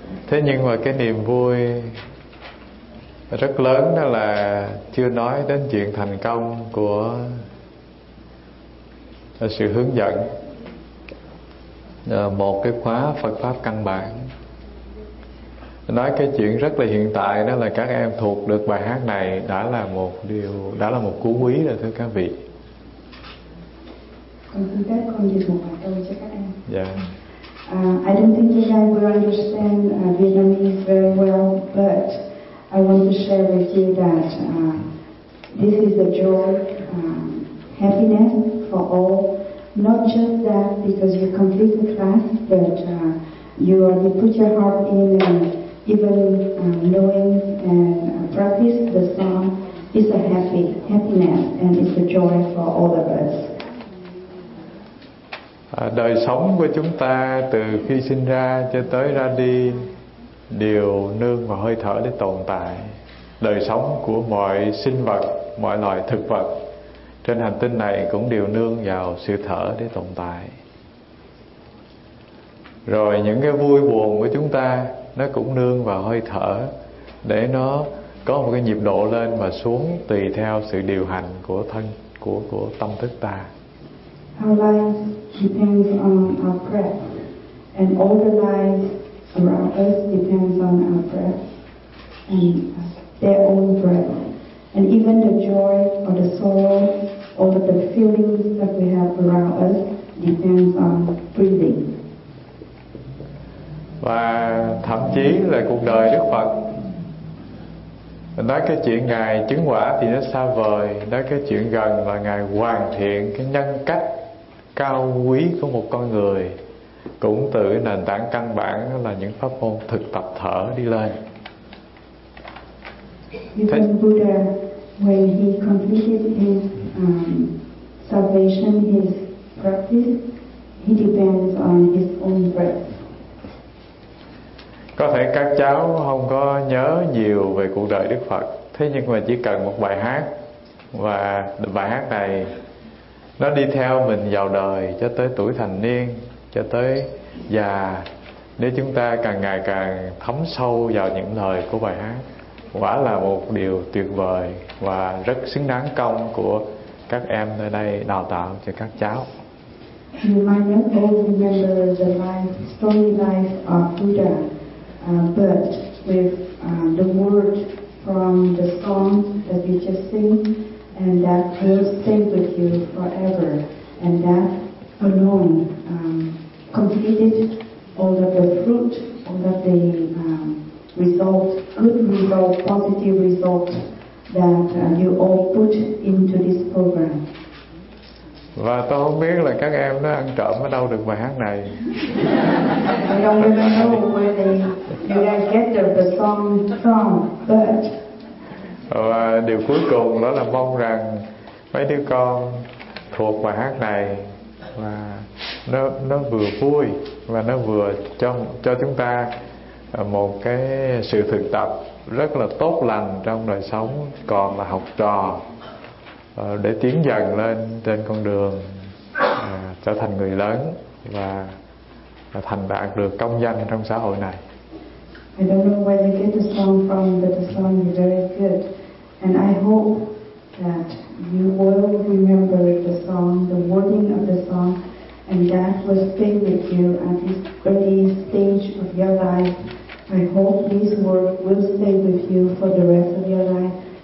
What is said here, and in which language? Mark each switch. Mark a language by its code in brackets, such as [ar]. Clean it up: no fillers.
[vi] Thế nhưng mà cái niềm vui rất lớn đó là chưa nói đến chuyện thành công của sự hướng dẫn một cái khóa Phật pháp căn bản. Nói cái chuyện rất là hiện tại đó là các em thuộc được bài hát này đã là một điều, đã là một cú quý rồi thưa các vị. [en] I don't think you guys will understand Vietnamese very well, but I want to share with you that this is a joy, happiness for all. Not just that because you complete the class, but you put your heart in, and even knowing and practice the song is a happiness and it's a joy for all of us. [vi] Đời sống của chúng ta từ khi sinh ra cho tới ra đi đều nương vào hơi thở để tồn tại. Đời sống của mọi sinh vật, mọi loài thực vật trên hành tinh này cũng đều nương vào sự thở để tồn tại. Rồi những cái vui buồn của chúng ta nó cũng nương vào hơi thở để nó có một cái nhịp độ lên và xuống tùy theo sự điều hành của thân của tâm thức ta. [en] Our lives depends on our breath, and all the lives around us depends on our breath and their own breath. And even the joy or the sorrow or the feelings that we have around us depends on breathing. [vi] Và thậm chí là cuộc đời Đức Phật, nói cái chuyện ngài chứng quả thì nó xa vời, nói cái chuyện gần là ngài hoàn thiện cái nhân cách cao quý của một con người cũng từ cái nền tảng căn bản là những pháp môn thực tập thở đi lên. [en] Even Buddha, when he completed his salvation, his practice, he depends on his own breath. [vi] Có thể các cháu không có nhớ nhiều về cuộc đời Đức Phật, thế nhưng mà chỉ cần một bài hát, và bài hát này nó đi theo mình vào đời cho tới tuổi thành niên, cho tới già. Nếu chúng ta càng ngày càng thấm sâu vào những lời của bài hát, quả là một điều tuyệt vời và rất xứng đáng công của các em nơi đây đào tạo cho các cháu. [en] You might not all remember the life, story life of Buddha, but with the word from the song that we just sing, and that will stay with you forever, and that alone completed all of the fruit, all of the result, good result, positive result that you all put into this program. [vi] Và tôi không biết là các em nó ăn trộm ở đâu được bài hát này. [en] I don't even know where they get the song from, but. [vi] Và điều cuối cùng đó là mong rằng mấy đứa con thuộc bài hát này, và nó vừa vui và nó vừa cho chúng ta một cái sự thực tập rất là tốt lành trong đời sống, còn là học trò để tiến dần lên trên con đường trở thành người lớn và thành đạt được công danh trong xã hội này. [en] I don't know where you get the song from, but the song is very good, and I hope that you will remember the song, the wording of the song, and that will stay with you at this early stage of your life. I hope this word will stay with you for the rest of your life.